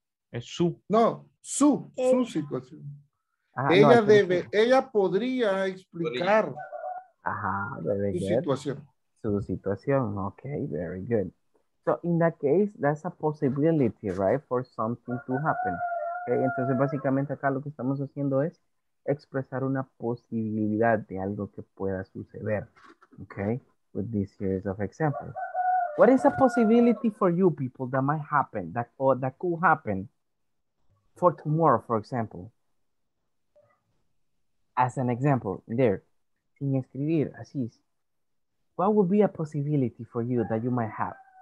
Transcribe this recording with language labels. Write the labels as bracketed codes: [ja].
[es] Es su. No, su, su situación. Ajá, ella no, debe, sí. Ella podría explicar. [en] Ajá, very good. [es] Su situación. [en] Ok, very good. So in that case, that's a possibility, right? For something to happen. [es] Okay, entonces básicamente acá lo que estamos haciendo es expresar una posibilidad de algo que pueda suceder. [en] Okay, with this series of examples. What is a possibility for you people that might happen, that or that could happen for tomorrow, for example? As an example, there, [es] sin escribir, así es. [en] What would be a possibility for you that you might have?